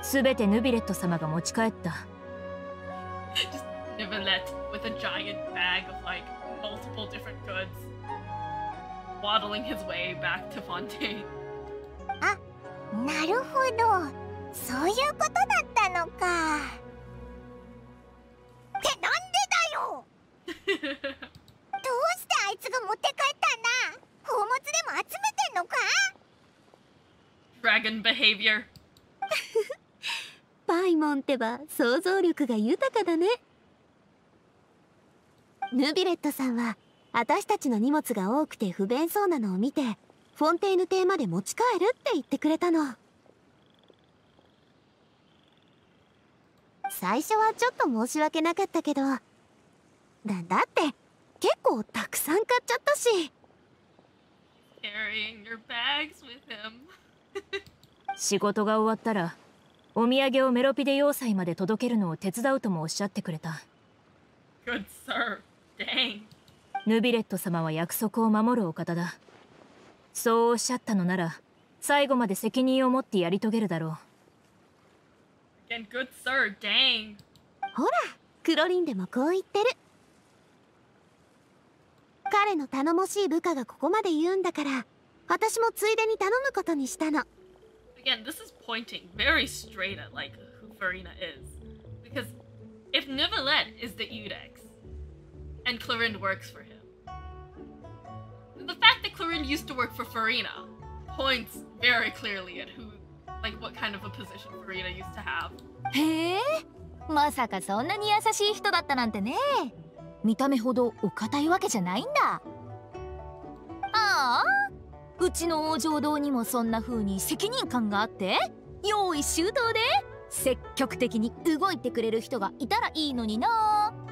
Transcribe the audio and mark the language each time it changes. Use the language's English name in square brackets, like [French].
[Japanese] すべてヌビレット様が持ち帰った。 [English] ヌビレット with a giant bag of like multiple different goods, waddling his way back to Fontaine. [Japanese] あ、なるほど。そういうことだったのか。ってなんでだよ。どうしてあいつが持って帰ったんだ。宝物でも集めてんのか。 [English] Dragon behavior. [Japanese] パイモンってば想像力が豊かだね。ヌビレットさんは私たちの荷物が多くて不便そうなのを見て、フォンテーヌ邸まで持ち帰るって言ってくれたの。最初はちょっと申し訳なかったけど、だって結構たくさん買っちゃったし。 [English] Carrying your bags with him. [Japanese] 仕事が終わったらお土産をメロピデ要塞まで届けるのを手伝うともおっしゃってくれた。 [English] Good sir. Dang. [Japanese] ヌビレット様は約束を守るお方だ。そうおっしゃったのなら最後まで責任を持ってやり遂げるだろう。 [English] And good sir, dang. [Japanese] ほら、クロリンでもこう言ってる。彼の頼もしい部下がここまで言うんだから、私もついでに頼むことにしたの。 [English] Again, this is pointing very straight at like who Farina is. Because if Nivellet is the Eudex, and Clorinde works for him, the fact that Clorinde used to work for Farina points very clearly at who... Like, what kind of a position Farina used to have. [Japanese] へえ、まさかそんなに優しい人だったなんてね。見た目ほどお堅いわけじゃないんだ。ああ、うちの王城堂にもそんな風に責任感があって、用意周到で積極的に動いてくれる人がいたらいいのにな。